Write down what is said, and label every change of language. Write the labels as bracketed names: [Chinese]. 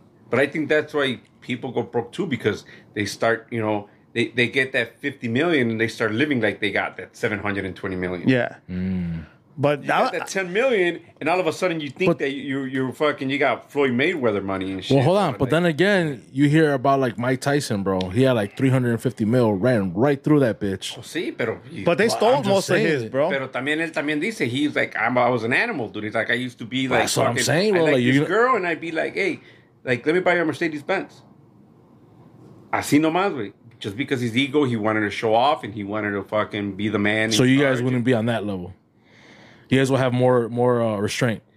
[English] But I think that's why people go broke too, because they start, you know, they get that 50 million and they start living like they got that 720 million. Yeah. Mm. But you got that 10 million and all of a sudden you think that you're fucking, you got Floyd Mayweather money and shit. Well, hold on. But like, then again, you hear about like Mike Tyson, bro. He had like 350 mil ran right through that bitch. But they stole most of his, bro. [Spanish] Pero también él también dice, [English] he's like, I was an animal, dude. He's like, I used to be like, that's fucking, what I'm saying, bro. I like this girl and I'd be like, hey, like, let me buy you a Mercedes Benz. [Spanish] Así nomás, güey. [English] Just because his ego, he wanted to show off and he wanted to fucking be the man. So you guys wouldn't be on that level. You guys will have more restraint.